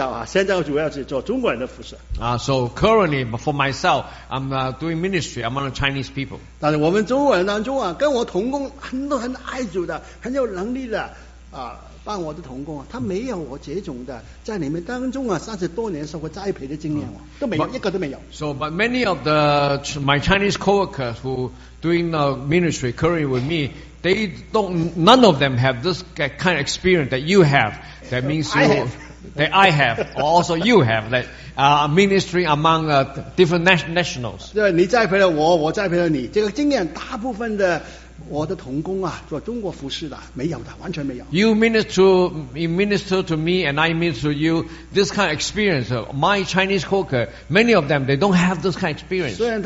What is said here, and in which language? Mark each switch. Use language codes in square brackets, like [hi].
[zh] 但是我现在主要是做中国人的服饰。 [en] So currently, for myself, I'm doing ministry among the Chinese people. [zh] 但是我们中国人当中啊, 跟我同工, 很多很爱主的, 很有能力的, 帮我的同工啊, 他没有我这种的, 在你们当中啊, 30多年受过栽培的经验啊, 都没有, 一个都没有。 [en] So, but many of my Chinese co-workers who doing the ministry currently with me, none of them have this kind of experience that you have. That means I have, or also you have, that ministry among different nationals. [zh] 对，你栽培了我，我栽培了你，这个经验大部分的。我的同工啊，做中国服事的没有的，完全没有。 [en] You minister to me and I minister to you. This kind of experience, my Chinese cooker, many of them they don't have this kind of experience.